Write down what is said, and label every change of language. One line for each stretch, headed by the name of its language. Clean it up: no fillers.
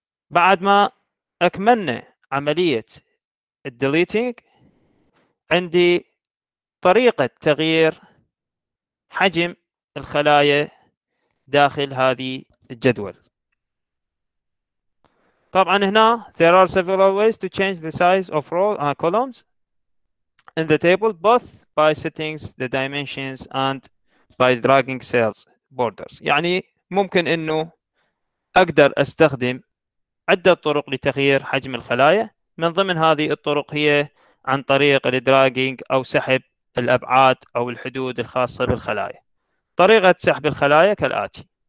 Arabic: بعد ما أكملنا عملية الديليتينج، عندي طريقة تغيير حجم الخلايا داخل هذه الجدول. طبعا هنا
English: there are several ways to change the size of rows and columns in the table, both by settings the dimensions and by dragging cells borders.
Arabic: يعني ممكن إنه أقدر أستخدم عدة طرق لتغيير حجم الخلايا. من ضمن هذه الطرق هي عن طريق الدراجينج أو سحب الأبعاد أو الحدود الخاصة بالخلايا. طريقة سحب الخلايا كالآتي.